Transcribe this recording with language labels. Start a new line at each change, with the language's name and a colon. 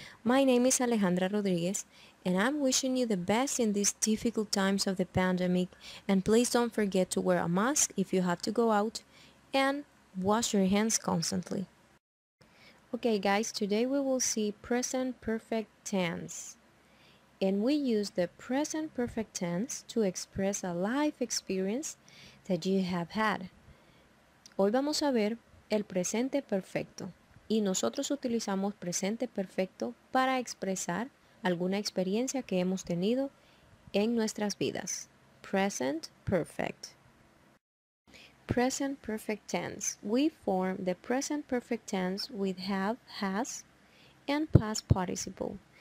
English: My name is Alejandra Rodriguez and I'm wishing you the best in these difficult times of the pandemic, and please don't forget to wear a mask if you have to go out and wash your hands constantly. Okay guys, today we will see present perfect tense. And we use the present perfect tense to express a life experience that you have had.
Spanish: Hoy vamos a ver el presente perfecto y nosotros utilizamos presente perfecto para expresar alguna experiencia que hemos tenido en nuestras vidas.
English: Present perfect. Present perfect tense. We form the present perfect tense with have, has, and past participle.